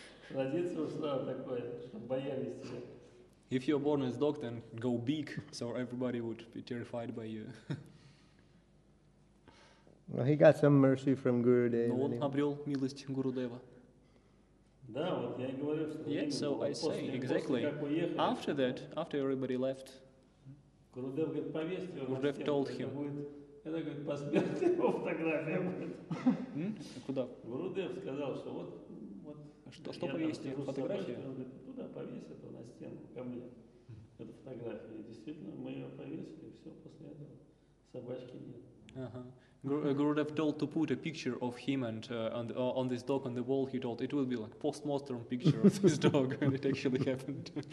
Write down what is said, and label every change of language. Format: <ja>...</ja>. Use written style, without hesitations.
<ru>Родиться уже такой, чтобы боялись тебя.</ru> <en>If you're born as a dog, then go big, so everybody would be terrified by you. Well, he got some mercy from Gurudev.</en> <ru>Но он обрел милость Гурудева. Да, вот я и говорю, что.</ru> <en>Yes, so I say exactly. After that, after everybody left,</en> <ru>Гурудев говорит, повесьте.</ru> <en>Гурудев told him.</en> <ru>Это говорит, посмертная его фотография будет. Куда? Гурудев сказал, что вот. Что повесьте? Фотографию. Туда повесь это на стену ко мне. Эту фотографию. Действительно, мы ее повесили, все после этого собачки нет.</ru> <en>Gurudev told to put a picture of him and on this dog on the wall. He told it will be like postmortem picture of this dog, and it actually happened.</en>